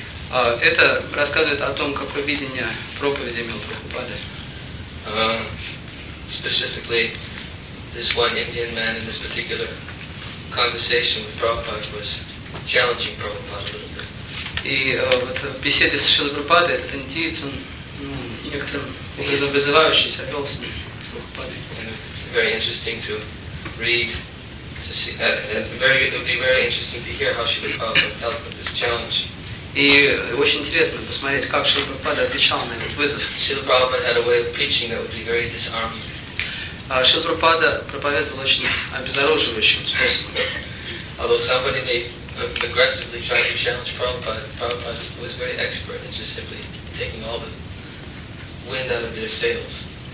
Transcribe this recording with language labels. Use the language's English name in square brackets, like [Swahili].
[Russian] Это рассказывает о том, какое видение проповеди имел Прабхупада. [English] Specifically, this one Indian man in this particular conversation with Prabhupada was challenging Prabhupada a little bit. [Russian] И вот в беседе с Шрилой Прабхупадой этот индиец, он некоторым образом вызывающийся вел с ним Прабхупадой. [English] Very interesting to read, to see, it would be very interesting to hear how Шрила Прабхупада dealt with this challenge. [Russian] И очень интересно посмотреть, как Шрила Прабхупада отвечал на этот вызов. [English] Шрила Прабхупада had a way of preaching that would be very disarming. [Russian] Шрила Прабхупада проповедовал очень обезоруживающим способом. [English] Although somebody may aggressively try to challenge Prabhupada was very expert in just simply taking all the wind out of their sails.